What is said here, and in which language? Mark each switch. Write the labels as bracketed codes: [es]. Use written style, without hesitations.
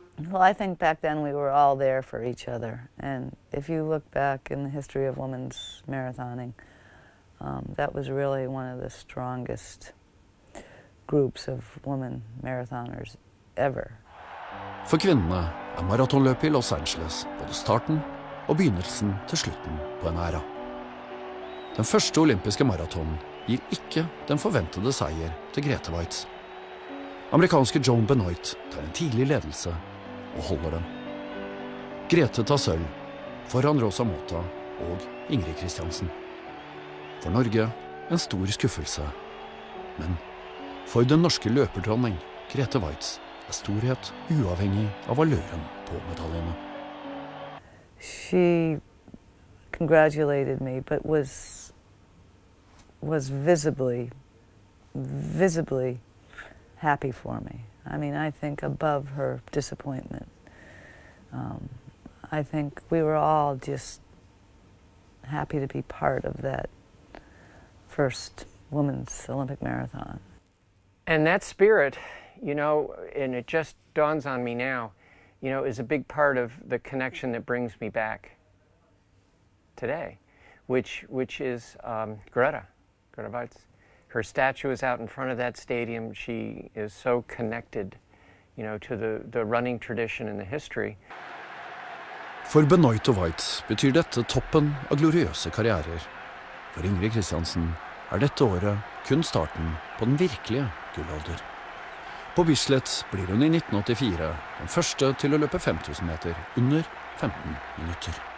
[en] Well, I think back then we were all there for each other. And if you look back in the history of women's marathoning, that was really one of the strongest groups of women marathoners ever. [no] For kvinnene er maratonløpet i Los Angeles både starten og begynnelsen til slutten på en æra. Den første olympiske maratonen gir ikke den forventede seier til Grete Waitz. Amerikanske Joan Benoit tar en tidlig ledelse og holder den. Grete tar sølv foran Rosa Mota og Ingrid Kristiansen. For Norge en stor skuffelse. Men for den norske løperdronning Grete Waitz er storhet uavhengig av valøren på medaljene. [en] She congratulated me, but was visibly happy for me. I mean, I think above her disappointment, I think we were all just happy to be part of that first women's Olympic marathon. And that spirit, you know, and it just dawns on me now, you know, is a big part of the connection that brings me back today, which is Greta. Her statue is out in front of that stadium. She is so connected, you know, to the running tradition and the history. [no] For Benoit og Waitz betyr dette toppen av gloriøse karrierer. For Ingrid Kristiansen er dette året kun starten på den virkelige gullalder. På Bislett blir hun i 1984 den første til å løpe 5000 meter under 15 minutter.